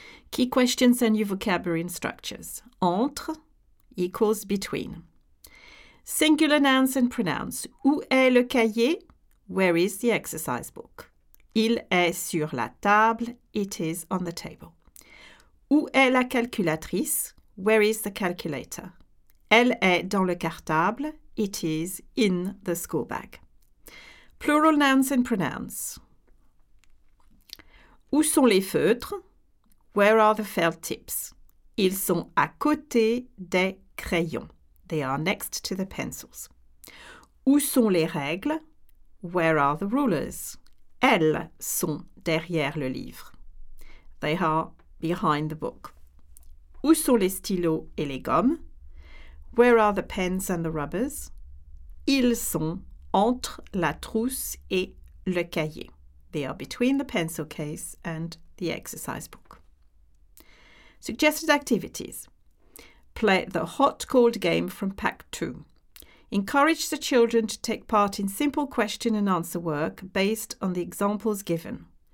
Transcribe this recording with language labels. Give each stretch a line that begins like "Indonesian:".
English: Key questions and new vocabulary and structures. Entre equals between. Singular nouns and pronouns.
French: Où est le cahier?
English: Where is the exercise book?
French: Il est sur la table.
English: It is on the table.
French: Où est la calculatrice?
English: Where is the calculator?
French: Elle est dans le cartable.
English: It is in the school bag. Plural nouns and pronouns.
French: Où sont les feutres?
English: Where are the felt tips?
French: Ils sont à côté des crayons.
English: They are next to the pencils.
French: Où sont les règles?
English: Where are the rulers?
French: Elles sont derrière le livre.
English: They are behind the book.
French: Où sont les stylos et les gommes?
English: Where are the pens and the rubbers?
French: Ils sont entre la trousse et le cahier.
English: They are between the pencil case and the exercise book. Suggested activities. Play the hot-cold game from Pack 2. Encourage the children to take part in simple question and answer work based on the examples given.